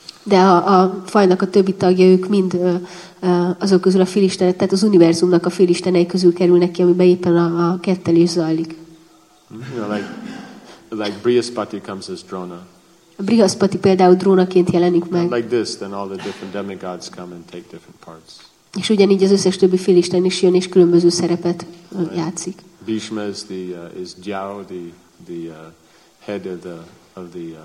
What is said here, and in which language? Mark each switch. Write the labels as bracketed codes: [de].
[hu] De a fajnak a többi tagja, ők mind azok közül a félistenek, tehát az univerzumnak a félistenei közül kerülnek ki, amiben éppen a kettelés zajlik. [en] You know, like Brihaspati comes as Drona. [hu] Brihaspati például drónaként jelenik meg. [en] Like this, then all the different demigods come and take different parts. [hu] És ugyanígy az összes többi félisten is jön és különböző szerepet játszik. [en] Bhishma is the is Jao, the head of the